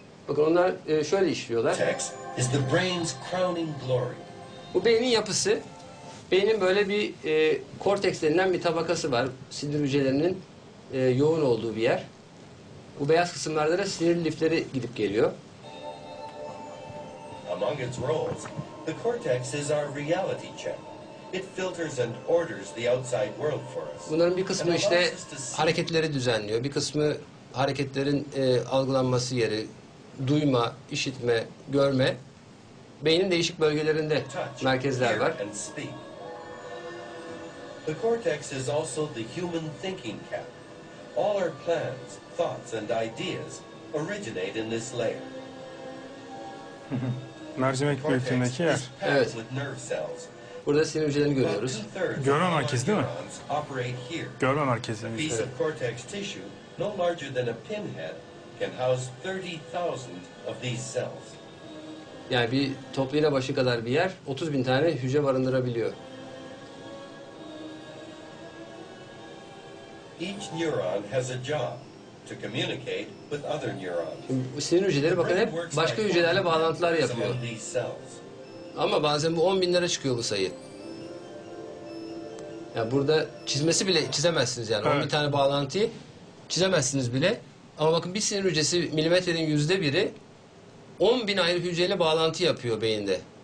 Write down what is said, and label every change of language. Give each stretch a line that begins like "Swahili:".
Turkish: Bakın onlar şöyle işliyorlar.
English: Text is the brain's crowning glory.
Turkish: Bu beynin yapısı. Beynin böyle bir korteks denilen bir tabakası var. Sinir hücrelerinin yoğun olduğu bir yer. Bu beyaz kısımlarda da sinir lifleri gidip geliyor.
English: Among its roles, the cortex is our reality check. It filters and orders the outside world for us.
Turkish: Bunların bir kısmı işte hareketleri düzenliyor. Bir kısmı hareketlerin algılanması yeri, duyma, işitme, görme. Beynin değişik bölgelerinde merkezler var.
English: The cortex is also the human thinking cap. All our plans, thoughts and ideas originate in this layer.
Turkish: Mercimek mevkiindeki yer. Evet. Burada sinir hücrelerini görüyoruz. Görme merkezi değil mi? Görme merkezi.
English: A piece of cortex tissue no larger than a pinhead can house 30,000 of these cells.
Turkish: Yani bir top iğne başı kadar bir yer 30,000 tane hücre barındırabiliyor.
English: Each neuron has a job to communicate with other neurons.
Turkish: Sinir hücreleri bakın hep başka hücrelerle bağlantılar yapıyor. Ama bazen bu 10,000'lere çıkıyor bu sayı. Ya yani burada çizmesi bile çizemezsiniz yani. Evet. 10,000 tane bağlantıyı çizemezsiniz bile. Ama bakın bir sinir hücresi milimetrenin %1'i 10,000 ayrı hücreyle bağlantı yapıyor beyinde.